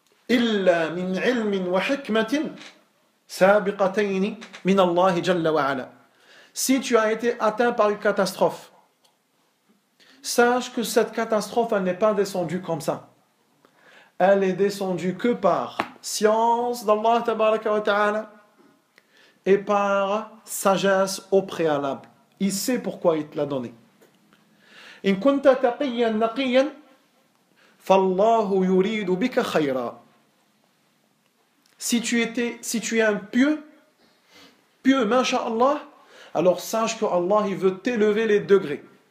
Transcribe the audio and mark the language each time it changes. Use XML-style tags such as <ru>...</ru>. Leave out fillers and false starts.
<ar>إِلَّا مِنْ عِلْمٍ وَحِكْمَةٍ سَابِقَتَيْنِ مِنَ اللَّهِ جَلَّ وَعَلَى</ar> <fr>Si tu as été atteint par une catastrophe, sache que cette catastrophe, elle n'est pas descendue comme ça. Elle est descendue que par science d'Allah tabaraka wa ta'ala et par sagesse au préalable. Il sait pourquoi il te l'a donné.</fr> <ar>إن كنت تقيا نقيا فالله يريد بك خيرا.</ar> <fr>Si tu es un pieux, masha'Allah, alors sache que Allah veut t'élever les degrés.</fr>